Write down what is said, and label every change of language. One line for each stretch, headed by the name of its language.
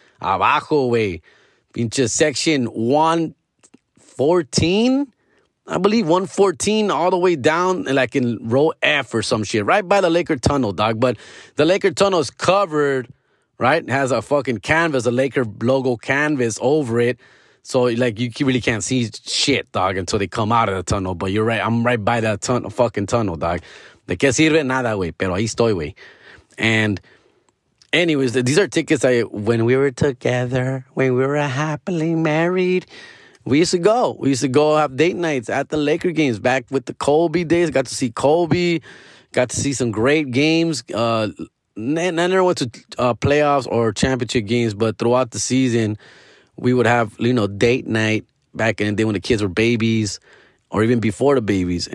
English: Abajo, way. Into section 114, I believe, 114 all the way down, like in row F or some shit, right by the Laker tunnel, dog. But the Laker tunnel is covered, right? It has a fucking canvas, a Laker logo canvas over it. So, like, you really can't see shit, dog, until they come out of the tunnel. But you're right, I'm right by that fucking tunnel, dog.
Spanish: De que sirve nada, güey, pero ahí estoy, güey.
English: And anyways, these are tickets when we were together, when we were happily married, we used to go. We used to go have date nights at the Laker games back with the Kobe days. Got to see Kobe. Got to see some great games. Never went to playoffs or championship games, but throughout the season, we would have, you know, date night back in the day when the kids were babies or even before the babies.